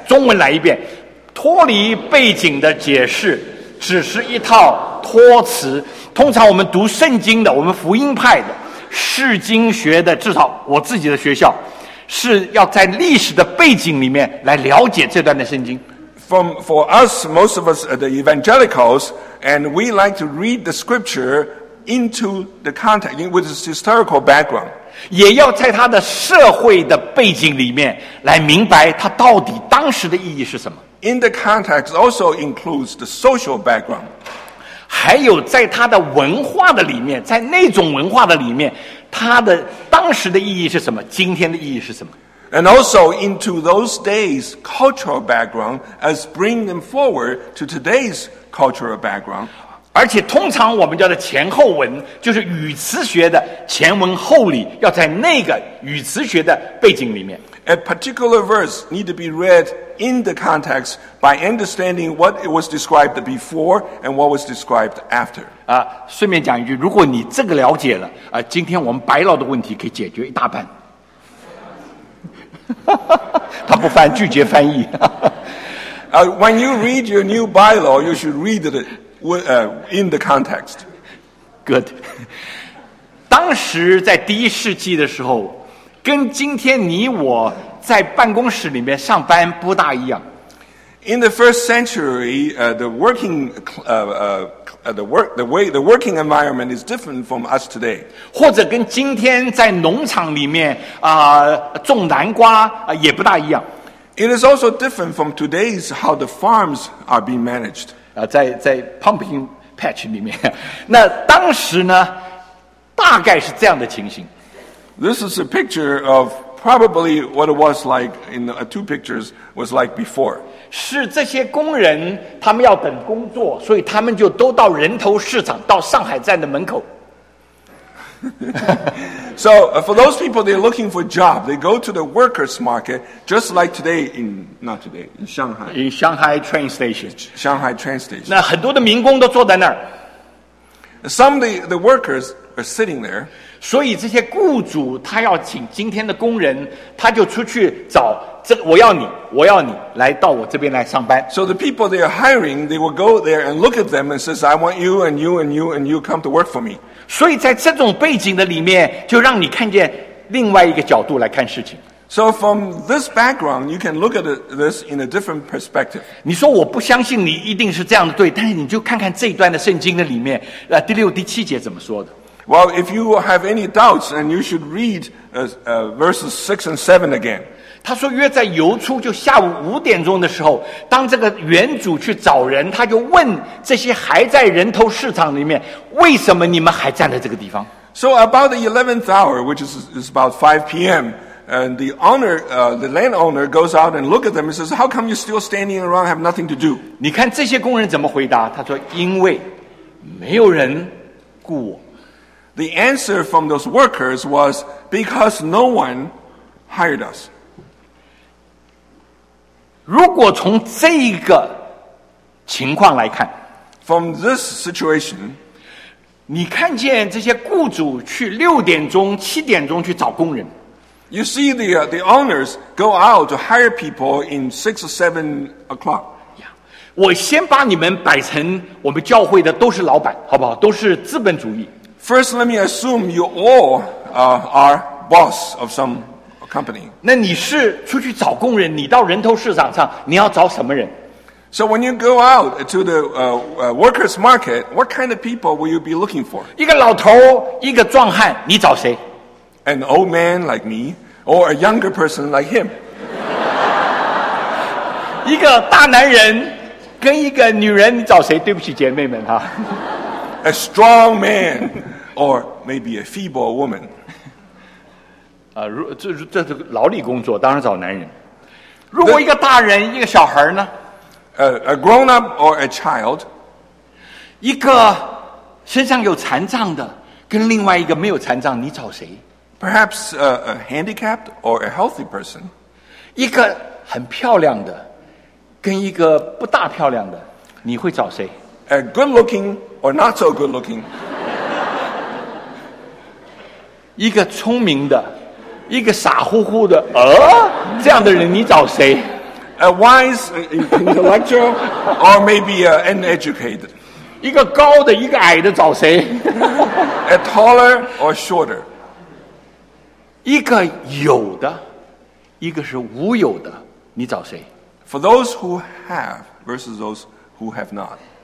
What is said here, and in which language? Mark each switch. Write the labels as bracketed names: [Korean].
[Chinese] 中文来一遍，脱离背景的解释只是一套托词。通常我们读圣经的，我们福音派的。释经学的，至少我自己的学校是要在历史的背景里面来了解这段的圣经。 [English] For us, most of us are the evangelicals, and we like to read the scripture into the context with its historical background. [Chinese] 也要在它的社会的背景里面来明白它到底当时的意义是什么。 [English] In the context also includes the social background. [Chinese] 还有在他的文化的里面，在那种文化的里面，他的当时的意义是什么？今天的意义是什么 [English] ？And also into those days' cultural background as bring them forward to today's cultural background. [Chinese] 而且通常我们叫的前后文，就是语词学的前文后理，要在那个语词学的背景里面。 [English] A particular verse need to be read. In the context, by understanding what it was described before and what was described after. [Chinese] 顺便讲一句，如果你这个了解了，今天我们白老的问题可以解决一大半。他不翻，拒绝翻译。 [English] when you read your new bylaw, you should read it in the context. Good. [Chinese] 当时在第一世纪的时候，跟今天你我。在办公室里面上班不大一样。 [English] In the first century, the working environment is different from us today. [Chinese] 或者跟今天在农场里面种南瓜也不大一样。 [English] It is also different from today's how the farms are being managed. [Chinese] 在 [English] pumpkin patch [Chinese] 里面，那当时呢，大概是这样的情形。 [English] This is a picture of. Probably what it was like in the two pictures was like before. [Chinese] 是这些工人他们要等工作，所以他们就都到人头市场，到上海站的门口。 [English] So for those people, they're looking for a job. They go to the workers' market, just like today in not today in Shanghai. In Shanghai train station. Shanghai train station. [Chinese] 那很多的民工都坐在那儿。 [English] Some of the workers. Are sitting there. [Chinese] 所以这些雇主他要请今天的工人，他就出去找这我要你，我要你来到我这边来上班。 [English] So the people they are hiring, they will go there and look at them and says, "I want you and you and you and you come to work for me." [Chinese] 所以在这种背景的里面，就让你看见另外一个角度来看事情。 [English] So from this background, you can look at this in a different perspective. [Chinese] 你说我不相信你一定是这样的对，但是你就看看这一段的圣经的里面，第六、第七节怎么说的。 [English] Well, if you have any doubts, then you should read verses 6 and 7 again. [Chinese] 他说约在游出就下午五点钟的时候，当这个原主去找人，他就问这些还在人头市场里面，为什么你们还站在这个地方？ [English] So about the 11th hour, which is about 5 p.m., and the owner, the landowner goes out and look at them and says, how come you're still standing around, have nothing to do? [Chinese] 你看这些工人怎么回答？他说因为没有人雇我。 [English] The answer from those workers was because no one hired us. [Chinese] 如果从这个情况来看 [English] from this situation, [Chinese] 你看见这些雇主去六点钟、七点钟去找工人。 [English] You see the owners go out to hire people in 6 or 7 o'clock. Yeah. [Chinese] 我先把你们摆成我们教会的都是老板，好不好？都是资本主义。 [English] First, let me assume you all are boss of some company. [Chinese] 那你是出去找工人，你到人头市场上，你要找什么人？ [English] So when you go out to the workers' market, what kind of people will you be looking for? [Chinese] 一个老头，一个壮汉，你找谁？ [English] An old man like me, or a younger person like him. [Chinese] 一个大男人跟一个女人，你找谁？对不起，姐妹们哈。 [English] A strong man, or maybe a feeble woman. [Chinese] 这劳力工作当然找男人。如果一个大人一个小孩呢？ [English] A grown up or a child， [Chinese] 一个身上有残障的跟另外一个没有残障，你找谁？ [English] Perhaps a handicapped or a healthy person， [Chinese] 一个很漂亮的跟一个不大漂亮的，你会找谁？ [English] A good looking or not so good looking， [Chinese] 一个聪明的一个傻乎乎的这样的人，你找谁？ [English] A wise intellectual or maybe uneducated. [Chinese] 一个高的一个矮的找谁？ [English] A taller or shorter. [Chinese] 一个有的一个是无有的，你找谁？ [English] For those who have versus those who have not.